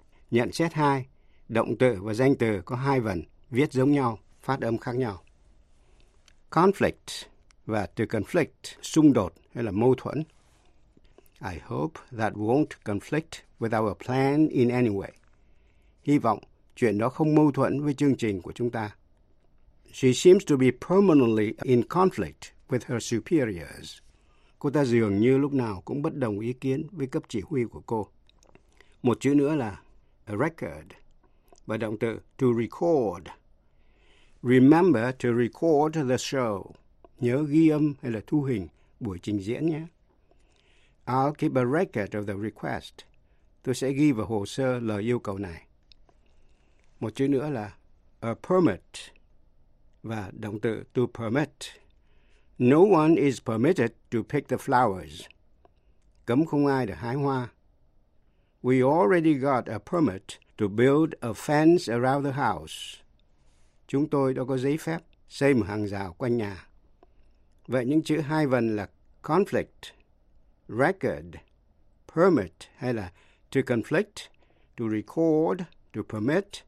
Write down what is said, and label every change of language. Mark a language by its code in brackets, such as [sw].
[vi] Nhận xét hai, động từ và danh từ có hai vần, viết giống nhau, phát âm khác nhau. Conflict và to conflict, xung đột hay là mâu thuẫn. [en] I hope that won't conflict with our plan in any way. [vi] Hy vọng chuyện đó không mâu thuẫn với chương trình của chúng ta. [en] She seems to be permanently in conflict with her superiors. [vi] Cô ta dường như lúc nào cũng bất đồng ý kiến với cấp chỉ huy của cô. Một chữ nữa là a record và động từ to record. [en] Remember to record the show. [vi] Nhớ ghi âm hay là thu hình buổi trình diễn nhé. [en] I'll keep a record of the request. [vi] Tôi sẽ ghi vào hồ sơ lời yêu cầu này. Một chữ nữa là a permit và động từ to permit. [en] No one is permitted to pick the flowers. [vi] Cấm không ai được hái hoa. [en] We already got a permit to build a fence around the house. [vi] Chúng tôi đã có giấy phép xây một hàng rào quanh nhà. Vậy những chữ hai vần là conflict, record, permit hay là to conflict, to record, to permit.